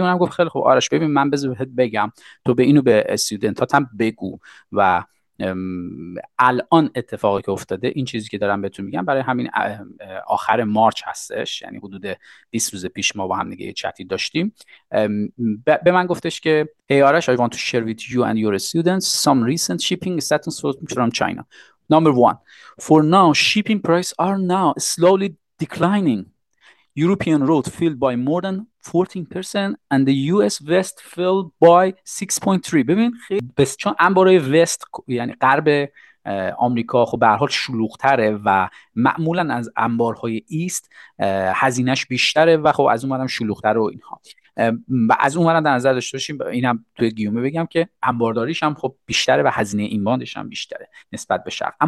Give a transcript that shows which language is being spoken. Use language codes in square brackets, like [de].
[fa] اونم گفت خیلی خب آرش ببین، من بذار بهت بگم، تو به اینو به استودنتاتم بگو و الان اتفاقی که افتاده این چیزی که دارم بهتون میگم. برای همین آخر مارچ هستش، یعنی حدود 20 روز پیش ما با هم دیگه چتی داشتیم، به من گفتش که [en] hey Arash, I want to share with you and your students some recent shipping status from China. Number one, for now shipping prices are now slowly declining. European road filled by more than 14% and the US West filled by 6.3. [fa] ببین خیلی بس، چون انبارای وست یعنی غرب آمریکا خب به هر حال شلوغ‌تره و معمولا از انبارهای ایست هزینش بیشتره و خب از اون برم شلوغ‌تر و اینها، و از اون برم در نظر داشته باشیم، اینم توی گیومه بگم که انبارداریش هم خب بیشتره و هزینه اینباندش هم بیشتره نسبت به شرق.